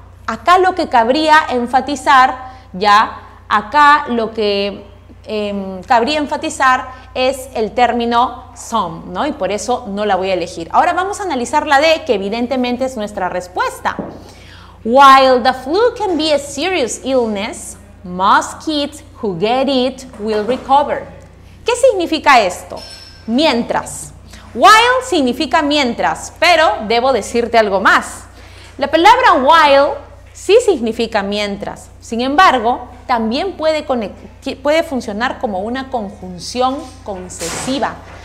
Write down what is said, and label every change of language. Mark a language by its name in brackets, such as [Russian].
[Spanish] Acá lo que cabría enfatizar, ¿ya? Acá lo que cabría enfatizar es el término some, ¿no? Y por eso no la voy a elegir. Ahora vamos a analizar la D, que evidentemente es nuestra respuesta. [English] While the flu can be a serious illness, most kids who get it will recover. [Spanish] ¿Qué significa esto? Mientras. While significa mientras, pero debo decirte algo más. La palabra while sí significa mientras. Sin embargo, también puede funcionar como una conjunción concesiva.